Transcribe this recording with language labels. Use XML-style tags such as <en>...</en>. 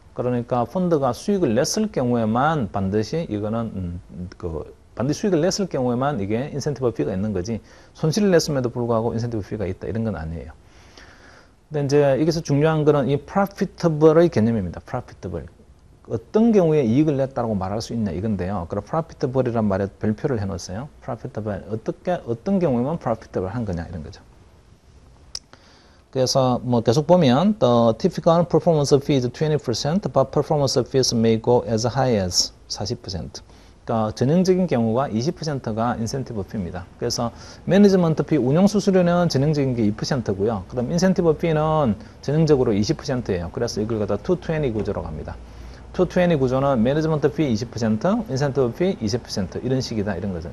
<ko>그러니까 펀드가 수익을 냈을 경우에만 반드시 이거는 그 반드시 수익을 냈을 경우에만 이게 인센티브 피가 있는 거지 손실을 냈음에도 불구하고 인센티브 피가 있다 이런 건 아니에요. 근데 이제 여기서 중요한 거는 이 프로피터블의 개념입니다. 프로피터블 어떤 경우에 이익을 냈다고 말할 수 있냐 이건데요. 그럼 프로피터블이란 말에 별표를 해놓으세요. 프로피터블 어떻게 어떤 경우에만 프로피터블 한 거냐 이런 거죠. 그래서 뭐 계속 보면</ko> <en>The typical performance fee is 20% but performance fees may go as high as 40%.</en> <ko>그러니까 전형적인 경우가 20%가 인센티브 피입니다. 그래서 매니지먼트 피 운용 수수료는 전형적인 게 2%고요. 그다음 인센티브 피는 전형적으로 20%예요. 그래서 이걸 갖다 220 구조로 갑니다. 220 구조는 매니지먼트 피 20%, 인센티브 피20% 이런 식이다 이런 거죠.</ko>